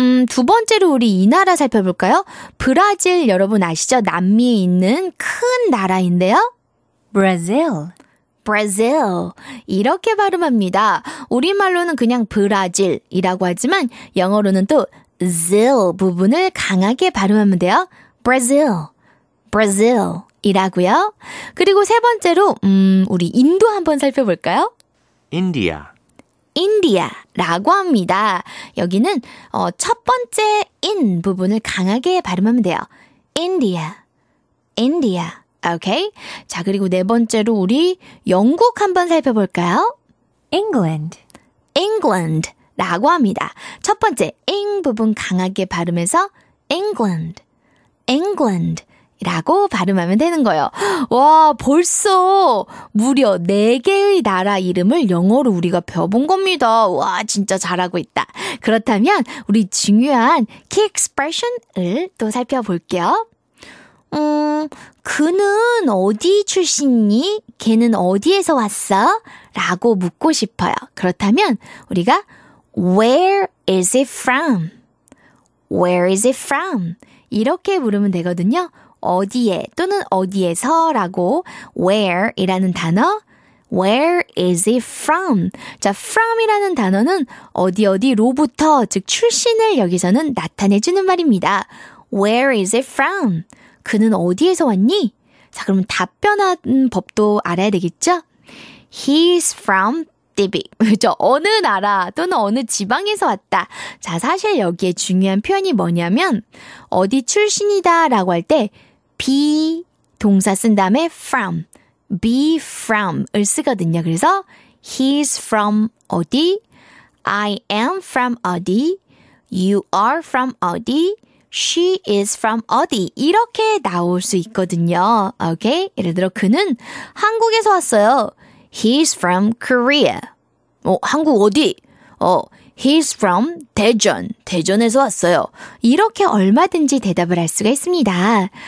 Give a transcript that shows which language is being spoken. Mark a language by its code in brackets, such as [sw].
[ko] 두 번째로 우리 이 나라 살펴볼까요? 브라질 여러분 아시죠? 남미에 있는 큰 나라인데요. [en] Brazil. [ko] Brazil 이렇게 발음합니다. 우리말로는 그냥 브라질이라고 하지만 영어로는 또 zil 부분을 강하게 발음하면 돼요. [en] Brazil, Brazil 이라고요. [ko] 그리고 세 번째로 우리 인도 한번 살펴볼까요? [en] India, [ko] India 라고 합니다. 여기는 첫 번째 in 부분을 강하게 발음하면 돼요. [en] India, India. Okay. [ko] 자, 그리고 네 번째로 우리 영국 한번 살펴볼까요? [en] England. [ko] England 라고 합니다. 첫 번째, ing 부분 강하게 발음해서 England. England 라고 발음하면 되는 거예요. 와, 벌써 무려 네 개의 나라 이름을 영어로 우리가 배워본 겁니다. 와, 진짜 잘하고 있다. 그렇다면 우리 중요한 key expression을 또 살펴볼게요. 그는 어디 출신이니? 걔는 어디에서 왔어? 라고 묻고 싶어요. 그렇다면 우리가 [en] Where is it from? Where is it from? [ko] 이렇게 물으면 되거든요. 어디에 또는 어디에서 라고 Where 이라는 단어 [en] Where is it from? [ko] 자, from 이라는 단어는 어디 어디로부터 즉 출신을 여기서는 나타내주는 말입니다. [en] Where is it from? [ko] 그는 어디에서 왔니? 자, 그럼 답변하는 법도 알아야 되겠죠? [en] He's from Tibet. [ko] 그죠? 어느 나라 또는 어느 지방에서 왔다. 자, 사실 여기에 중요한 표현이 뭐냐면 어디 출신이다 라고 할 때 be 동사 쓴 다음에 from, be from 을 쓰거든요. [en] 그래서 he's from 어디, I am from 어디, you are from 어디, She is from 어디 이렇게 나올 수 있거든요. [ko] 오케이? 예를 들어 그는 한국에서 왔어요. [en] He's from Korea. [ko] 한국 어디? [en] He's from [ko] 대전. 대전에서 왔어요. 이렇게 얼마든지 대답을 할 수가 있습니다.